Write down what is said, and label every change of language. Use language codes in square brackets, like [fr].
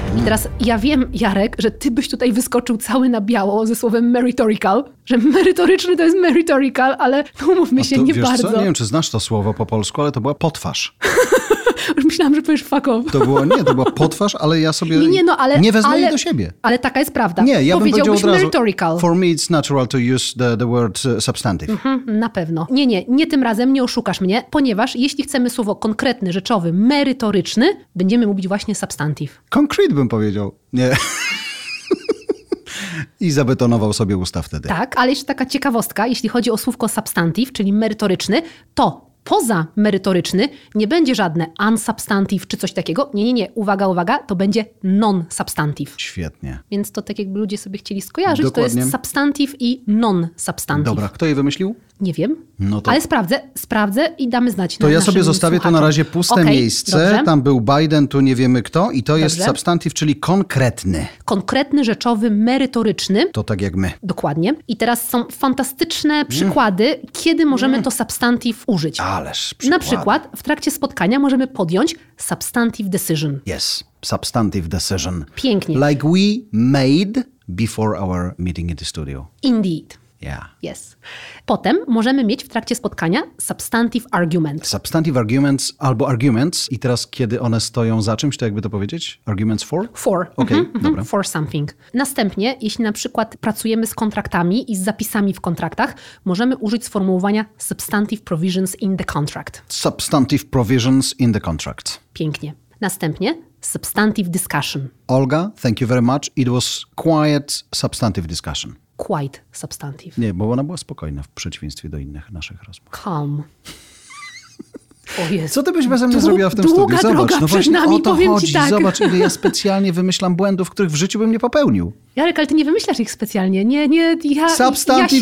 [pl] I teraz ja wiem, Jarek, że ty byś tutaj wyskoczył cały na biało ze słowem meritorical, że merytoryczny to jest meritorical, ale no umówmy się, nie wiesz bardzo. Co? Nie wiem, czy znasz to słowo po polsku, ale to była potwarz. Już myślałam, że powiesz [en] fuck off. [pl] To było, nie, to była potwarz, ale ja sobie nie wezmę jej do siebie. Ale taka jest prawda. Nie, ja bym powiedział od razu, meritorical. [en] For me it's natural to use the word substantive. [pl] Mhm, na pewno. Nie tym razem, nie oszukasz mnie, ponieważ jeśli chcemy słowo konkretny, rzeczowy, merytoryczny, będziemy mówić właśnie substantive. Concrete bym powiedział, nie... I zabetonował sobie usta wtedy. Tak, ale jeszcze taka ciekawostka, jeśli chodzi o słówko substantive, czyli merytoryczny, to poza merytoryczny nie będzie żadne unsubstantive czy coś takiego. Nie. Uwaga, uwaga, to będzie non-substantive. Świetnie. Więc to tak jakby ludzie sobie chcieli skojarzyć. Dokładnie. To jest substantive i non-substantive. Dobra, kto je wymyślił? Nie wiem. No to... Ale sprawdzę i damy znać. To ja sobie zostawię słuchaczom. To na razie puste [en] okay, [pl] miejsce. Dobrze. Tam był Biden, tu nie wiemy kto. I to jest substantive, czyli konkretny. Konkretny, rzeczowy, merytoryczny. To tak jak my. Dokładnie. I teraz są fantastyczne przykłady, kiedy możemy to substantive użyć. Ależ przykłady. Na przykład w trakcie spotkania możemy podjąć [en] substantive decision. Yes, substantive decision. [pl] Pięknie. [en] Like we made before our meeting in the studio. Indeed. Yeah. Yes. [pl] Potem możemy mieć w trakcie spotkania [en] substantive argument. Substantive arguments [pl] albo [en] arguments. [pl] I teraz, kiedy one stoją za czymś, to jakby to powiedzieć? [en] Arguments for? For. [pl] Okay. Mm-hmm. Dobra. [en] For something. [pl] Następnie, jeśli na przykład pracujemy z kontraktami i z zapisami w kontraktach, możemy użyć sformułowania [en] substantive provisions in the contract. Substantive provisions in the contract. [pl] Pięknie. Następnie, [en] substantive discussion. Olga, thank you very much. It was quiet substantive discussion. Quite substantive. [pl] Nie, bo ona była spokojna w przeciwieństwie do innych naszych rozmów. Calm. O Jezu. Co ty byś bez mnie zrobiła w tym studiu? Zobacz, droga, no właśnie nami, o to chodzi. Tak. Zobacz, ile ja specjalnie wymyślam błędów, których w życiu bym nie popełnił. Jarek, ale ty nie wymyślasz ich specjalnie. Nie, nie, ja, [en] substantive